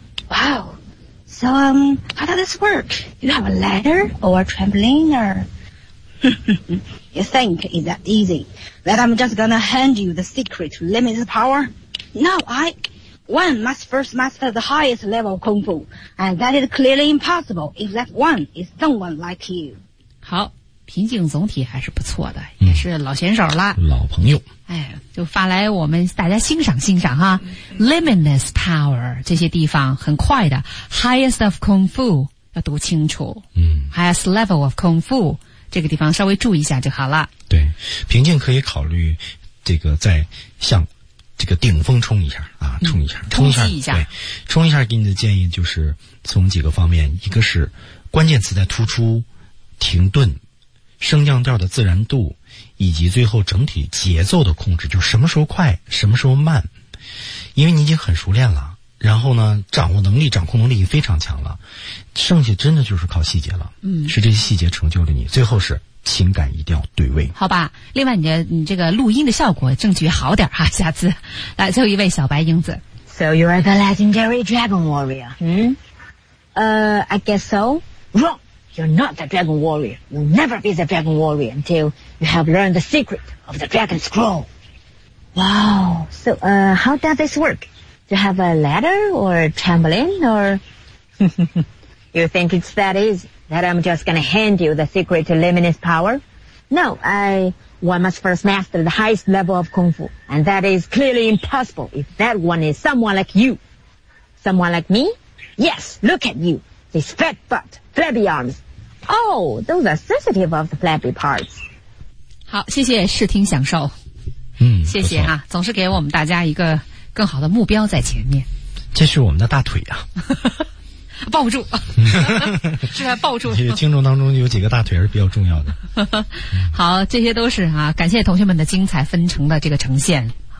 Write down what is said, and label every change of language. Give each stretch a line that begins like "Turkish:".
English: Wow. So, how does this work? You have a ladder or a trampoline or... You think it's that easy? That I'm just gonna hand you the secret to limitless power? No, One must first master the highest level of kung fu. And that is clearly impossible if that one is someone like you.
Chinese: 好。平静总体还是不错的，也是老选手了，老朋友。哎，就发来我们大家欣赏欣赏哈 ， limitless power 这些地方很快的 ， highest of kung fu 要读清楚， highest level of kung fu 这个地方稍微注意一下就好了。对，平静可以考虑这个再向这个顶峰冲一下啊，冲一下，对，冲一下给你的建议就是从几个方面，一个是关键词在突出，停顿。升降调的自然度以及最后整体节奏的控制，就什么时候快什么时候慢，因为你已经很熟练了，然后呢掌握能力掌控能力也非常强了，剩下真的就是靠细节了，是这些细节成就了你，最后是情感一定要对位，好吧。另外你这个录音的效果证据好点哈，下次来最后一位小白英子。
English: So you are the legendary dragon warrior I guess so. Wrong. You're not the dragon warrior. You'll never be the dragon warrior until you have learned the secret of the dragon scroll. Wow. So, how does this work? Do you have a ladder or a trampoline or... you think it's that easy that I'm just going to hand you the secret to limitless power? No, one must first master the highest level of kung fu. And that is clearly impossible if that one is someone like you. Someone like me? Yes, look at you. This fat butt. Flabby arms. Oh, those are sensitive of the flabby parts.
Chinese: 好，谢谢视听享受。谢谢啊，总是给我们大家一个更好的目标在前面。这是我们的大腿啊。抱不住。是在抱住。这个听众当中有几个大腿是比较重要的。好，这些都是啊，感谢同学们的精彩纷呈的这个呈现。